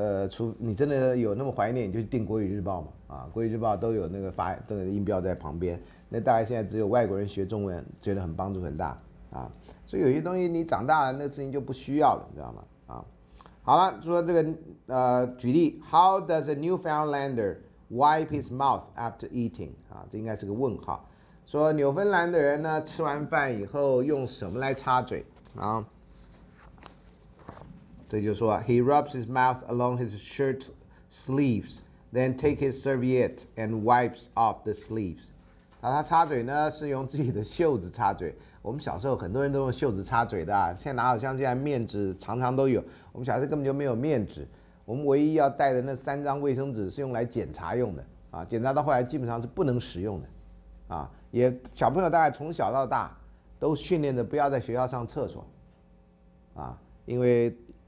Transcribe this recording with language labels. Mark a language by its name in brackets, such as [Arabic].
[Chinese] 除你真的有那么怀念，你就订国语日报嘛，啊，国语日报都有那个发都有音标在旁边，那大概现在只有外国人学中文觉得很帮助很大啊，所以有些东西你长大了那事情就不需要了，你知道吗？啊，好了，说这个举例 [English] ，How does a Newfoundlander wipe his mouth after eating？ [Chinese] 啊，这应该是个问号，说纽芬兰的人呢吃完饭以后用什么来擦嘴啊？这就是说 [English] ，He rubs his mouth along his shirt sleeves, then take his serviette and wipes off the sleeves。 [Chinese] 啊，他擦嘴呢是用自己的袖子擦嘴。我们小时候很多人都用袖子擦嘴的、啊，现在哪有像现在面纸常常都有？我们小时候根本就没有面纸，我们唯一要带的那三张卫生纸是用来检查用的啊，检查到后来基本上是不能使用的，啊，也小朋友大概从小到大都训练的不要在学校上厕所，啊，因为。